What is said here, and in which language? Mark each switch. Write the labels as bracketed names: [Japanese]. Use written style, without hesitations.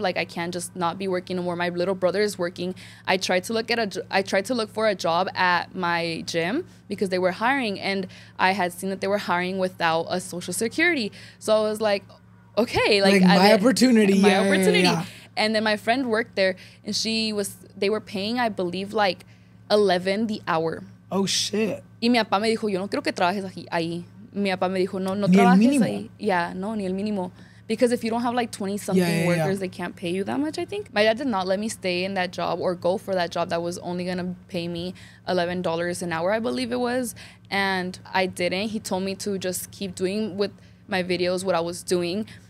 [English] Like, I can't just not be working anymore. My little brother is working. I tried to look for a job at my gym because they were hiring, and I had seen that they were hiring without a social security. So I was like, okay, my opportunity. Yeah. And then my friend worked there, and they were paying, I believe, like $11 the hour. Oh shit. [Spanish] Y mi papá me dijo, yo no quiero que trabajes ahí. Mi papá me dijo, no trabajes ahí. Yeah, no, ni el mínimo. [English] Because if you don't have like 20-something workers, they can't pay you that much, I think. My dad did not let me stay in that job or go for that job that was only going to pay me $11 an hour, I believe it was. And I didn't. He told me to just keep doing with my videos what I was doing.